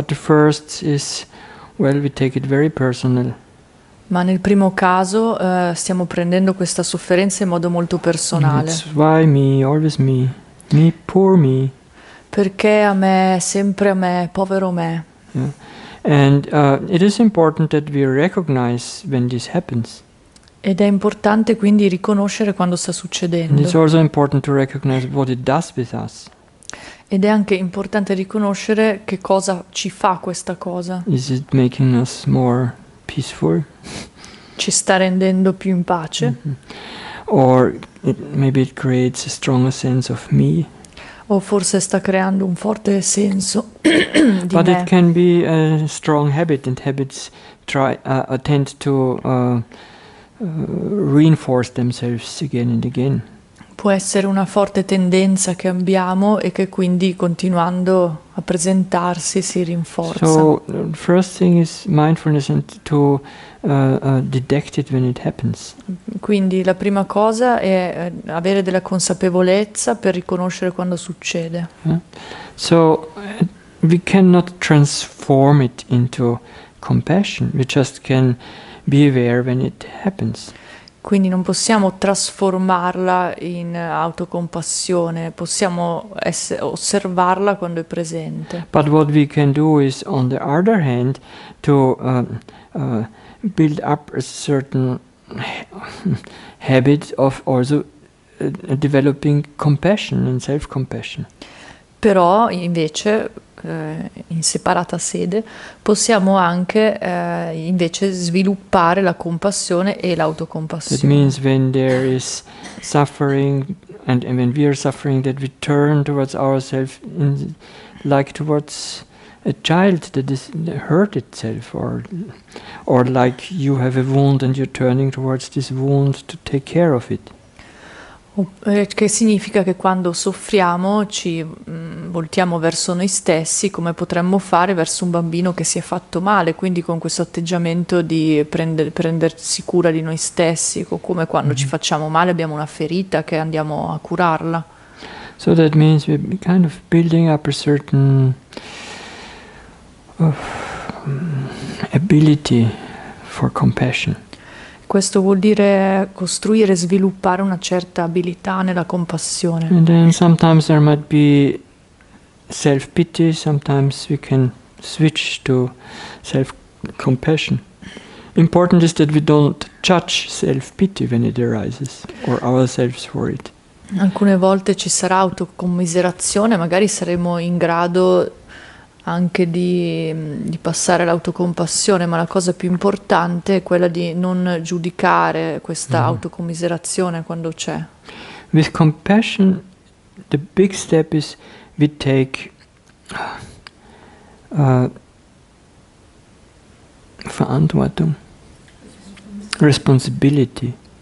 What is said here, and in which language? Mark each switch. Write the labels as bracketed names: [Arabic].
[English] But the first is, well, we take it very personal. [Italian] Ma nel primo caso stiamo prendendo questa sofferenza in modo molto personale. [English] It's why me, always me, me, poor me. [Italian] Perché a me, sempre a me, povero me. Yeah. [English] And it is important that we recognize when this happens. [Italian] Ed è importante quindi riconoscere quando sta succedendo. [English] And it's also important to recognize what it does with us. [Italian] Ed è anche importante riconoscere che cosa ci fa questa cosa. [English] Is it making us more peaceful? [Italian] Ci sta rendendo più in pace? Mm-hmm. [English] Or maybe it creates a stronger sense of me. [Italian] O forse sta creando un forte senso di [English] But me. It can be a strong habit, and habits tend to reinforce themselves again and again. [Italian] Può essere una forte tendenza che abbiamo e che quindi continuando a presentarsi si rinforza. [English] So first thing is mindfulness and to detect it when it happens. [Italian] Quindi la prima cosa è avere della consapevolezza per riconoscere quando succede. Yeah. [English] So we cannot transform it into compassion. We just can be aware when it happens. [Italian] Quindi non possiamo trasformarla in autocompassione, possiamo osservarla quando è presente. [English] But what we can do is, on the other hand, to build up a certain habit of also developing compassion and self-compassion. [Italian] Però, invece, in separata sede, possiamo anche invece sviluppare la compassione e l'autocompassione. [English] That means when there is suffering and when we are suffering, that we turn towards ourselves in, like towards a child that is hurt itself, or like you have a wound and you're turning towards this wound to take care of it. [Italian] Che significa che quando soffriamo ci voltiamo verso noi stessi, come potremmo fare verso un bambino che si è fatto male, quindi con questo atteggiamento di prendersi cura di noi stessi, come quando mm-hmm. ci facciamo male abbiamo una ferita che andiamo a curarla. [English] So that means we're kind of building up a certain ability for compassion. [Italian] Questo vuol dire costruire e sviluppare una certa abilità nella compassione. [English] And then sometimes there might be self-pity, sometimes we can switch to self-compassion. Important is that we don't judge self-pity when it arises, or ourselves for it. [Italian] Alcune volte ci sarà autocommiserazione, magari saremo in grado anche di passare l'autocompassione, ma la cosa più importante è quella di non giudicare questa autocommiserazione quando c'è. [English] With compassion, the big step is we take verantwortung, responsibility.